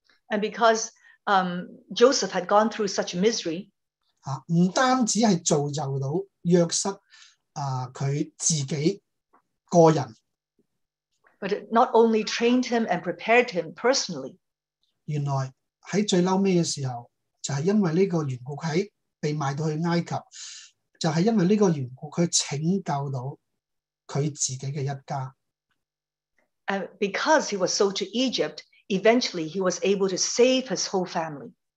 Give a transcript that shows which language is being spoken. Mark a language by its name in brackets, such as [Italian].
[English] And because Joseph had gone through such misery, [Chinese] 不单只是造就到约瑟他自己个人， [English] but it not only trained him and prepared him personally. [Chinese] 原来在最后的时候， 就是因为这个缘故他被卖到去埃及，就是因为这个缘故他拯救到他自己的一家。 [English] And because he was sold to Egypt, eventually he was able to save his whole family.